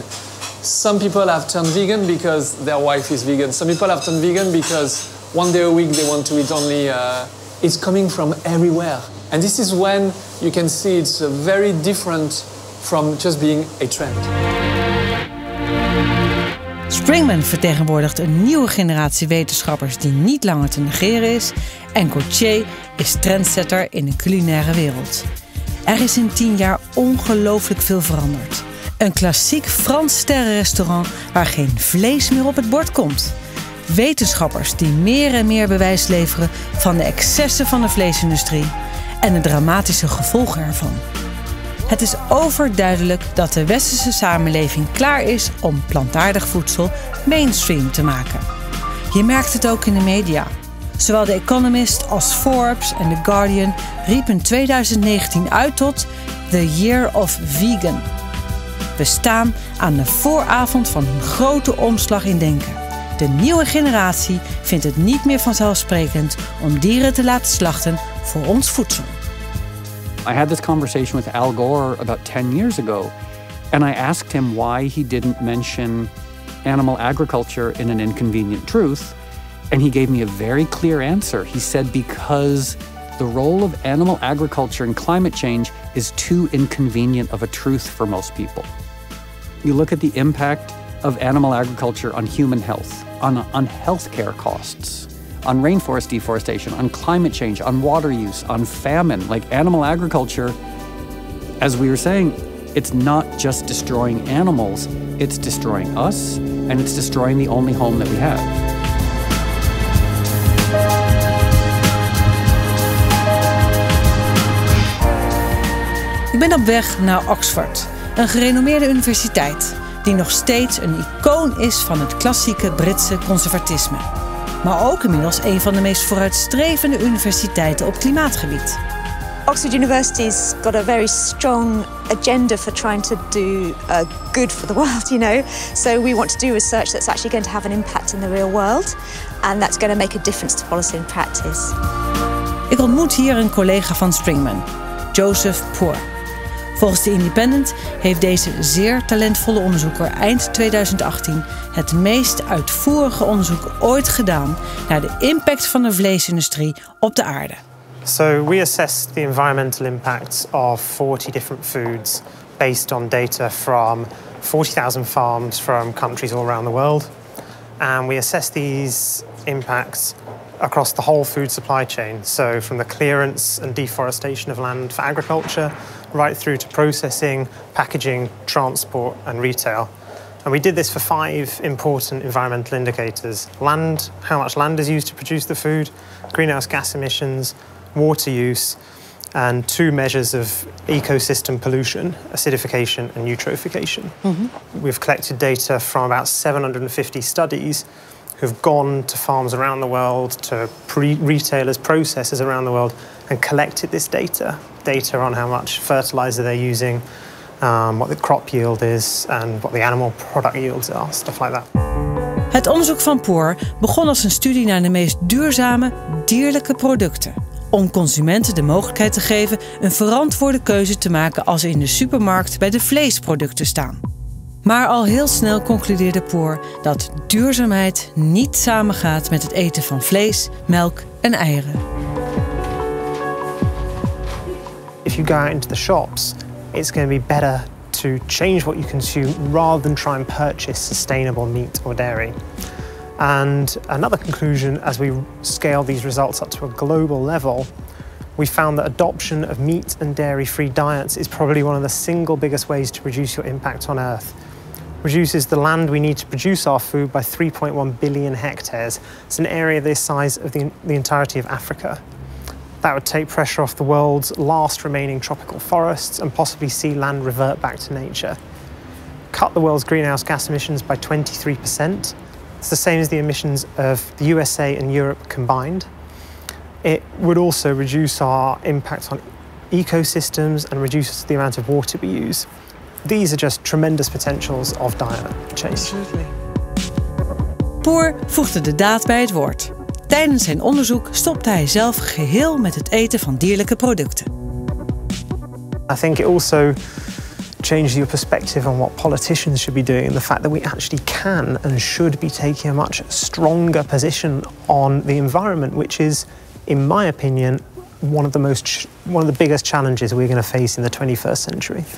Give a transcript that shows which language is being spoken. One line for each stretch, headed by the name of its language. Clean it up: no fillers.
English: Some people have turned vegan because their wife is vegan. Some people have turned vegan because one day a week they want to eat only. It's coming from everywhere. And this is when you can see it's very different from just being a trend.
Dutch: Springman vertegenwoordigt een nieuwe generatie wetenschappers die niet langer te negeren is. En Gautier is trendsetter in de culinaire wereld. Er is in 10 jaar ongelooflijk veel veranderd. Een klassiek Frans sterrenrestaurant waar geen vlees meer op het bord komt. Wetenschappers die meer en meer bewijs leveren van de excessen van de vleesindustrie en de dramatische gevolgen ervan. Het is overduidelijk dat de westerse samenleving klaar is om plantaardig voedsel mainstream te maken. Je merkt het ook in de media. Zowel The Economist als Forbes en The Guardian riepen 2019 uit tot
English: The Year of Vegan.
Dutch: We staan aan de vooravond van een grote omslag in denken. De nieuwe generatie vindt het niet meer vanzelfsprekend om dieren te laten slachten voor ons voedsel.
English: I had this conversation with Al Gore about 10 years ago and I asked him why he didn't mention animal agriculture in An Inconvenient Truth. And he gave me a very clear answer. He said, because the role of animal agriculture in climate change is too inconvenient of a truth for most people. You look at the impact of animal agriculture on human health, on healthcare costs, on rainforest deforestation, on climate change, on water use, on famine. Like animal agriculture, as we were saying, it's not just destroying animals, it's destroying us, and it's destroying the only home that we have.
Dutch: Ik ben op weg naar Oxford, een gerenommeerde universiteit die nog steeds een icoon is van het klassieke Britse conservatisme. Maar ook inmiddels een van de meest vooruitstrevende universiteiten op klimaatgebied.
English: Oxford University's got a very strong agenda for trying to do good for the world, you know. So we want to do research that's actually going to have an impact in the real world and that's going to make a difference to policy and practice.
Dutch: Ik ontmoet hier een collega van Springman, Joseph Poor. Volgens The Independent heeft deze zeer talentvolle onderzoeker eind 2018 het meest uitvoerige onderzoek ooit gedaan naar de impact van de vleesindustrie op de aarde.
English: So we assessed the environmental impacts of 40 different foods based on data from 40,000 farms from countries all around the world. And we assessed these impacts across the whole food supply chain. So from the clearance and deforestation of land for agriculture, right through to processing, packaging, transport and retail. And we did this for 5 important environmental indicators. Land, how much land is used to produce the food, greenhouse gas emissions, water use, and two measures of ecosystem pollution, acidification and eutrophication. Mm-hmm. We've collected data from about 750 studies who've gone to farms around the world, to retailers, processors around the world, and collected this data. Data on how much fertilizer they're using, what the crop yield is, and what the animal product yields are, stuff like that.
Dutch: Het onderzoek van Poor begon als een studie naar de meest duurzame dierlijke producten. Om consumenten de mogelijkheid te geven een verantwoorde keuze te maken als ze in de supermarkt bij de vleesproducten staan. Maar al heel snel concludeerde Poor dat duurzaamheid niet samengaat met het eten van vlees, melk en eieren.
English: If you go out into the shops, it's going to be better to change what you consume rather than try and purchase sustainable meat or dairy. And another conclusion, as we scale these results up to a global level, we found that adoption of meat and dairy-free diets is probably one of the single biggest ways to reduce your impact on Earth. It reduces the land we need to produce our food by 3.1 billion hectares. It's an area this size of the entirety of Africa. That would take pressure off the world's last remaining tropical forests and possibly see land revert back to nature. Cut the world's greenhouse gas emissions by 23%. It's the same as the emissions of the USA and Europe combined. It would also reduce our impact on ecosystems and reduce the amount of water we use. These are just tremendous potentials of diet change. Absolutely.
Dutch: Poor voegde de daad bij het woord. Tijdens zijn onderzoek stopte hij zelf geheel met het eten van dierlijke producten.
English: I think it also changed your perspective on what politicians should be doing, and the fact that we actually can and should be taking a much stronger position on the environment, which is, in my opinion, one of the biggest challenges we're going to face in the 21st century.